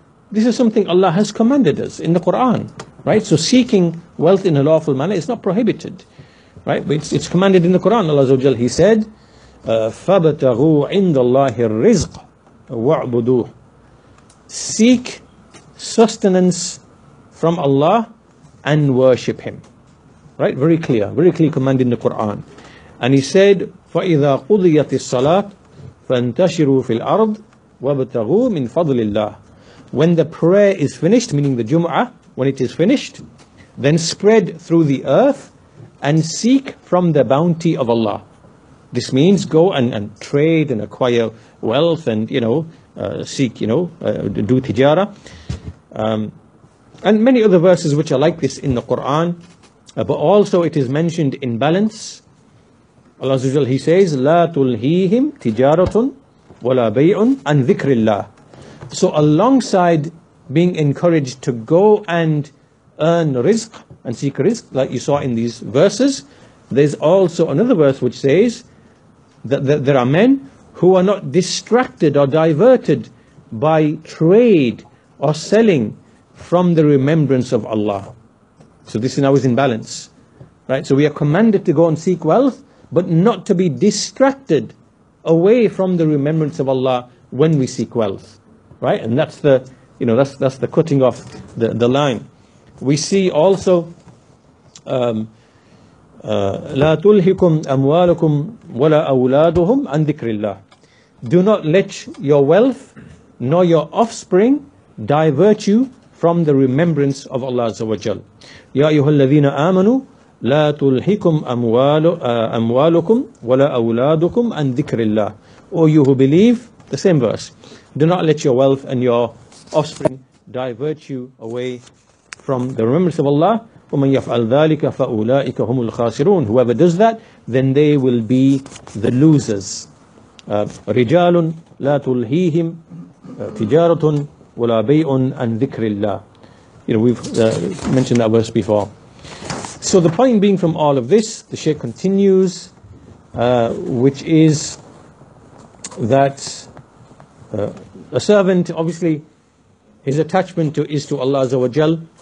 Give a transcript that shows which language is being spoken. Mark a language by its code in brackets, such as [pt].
[en] This is something Allah has commanded us in the Quran, right? So seeking wealth in a lawful manner is not prohibited, right? But it's commanded in the Quran. Allah Azza wa Jal, he said, [ar] فَبَتَغُوا عِنْدَ اللَّهِ الرِّزْقِ وَعْبُدُوهُ. [en] Seek sustenance from Allah and worship Him. Right? Very clear. Very clear command in the Quran. And he said, [ar] فَإِذَا قُضِيَتِ الصَّلَاةِ فَانْتَشِرُوا فِي الْأَرْضِ وَبَتَغُوا مِنْ فَضْلِ اللَّهِ. [en] When the prayer is finished, meaning the Jum'ah, when it is finished, then spread through the earth and seek from the bounty of Allah. This means go and trade and acquire wealth and, you know, seek, you know, do tijara. And many other verses which are like this in the Quran, but also it is mentioned in balance. Allah Azza wa Jalla, He says, [ar] لا تلهيهم تجارة ولا بيع عن ذكر الله. [en] So alongside being encouraged to go and earn rizq and seek rizq, like you saw in these verses, there's also another verse which says that there are men who are not distracted or diverted by trade or selling from the remembrance of Allah. So this now is in balance, right? So we are commanded to go and seek wealth, but not to be distracted away from the remembrance of Allah when we seek wealth, right? And that's the, you know, that's the cutting off the line. We see also, [ar] لا تلهكم أموالكم ولا أولادهم عن ذكر الله. [en] Do not let your wealth nor your offspring divert you from the remembrance of Allah Azza wa Jal. [ar] يا أيها الذين آمنوا لا تلهكم أموالكم ولا أولادكم عن ذكر الله. [en] Or you who believe, the same verse. Do not let your wealth and your offspring divert you away from the remembrance of Allah. [ar] ومن يفعل ذلك فأولئك هم الخاسرون. [en] Whoever does that, then they will be the losers. [ar] رجال لا تلهيهم تجارة ولا بيع عن ذكر الله. [en] You know, we've mentioned that verse before. So the point being from all of this, the Shaykh continues, which is that a servant, obviously, his attachment is to Allah Azza wa Jal.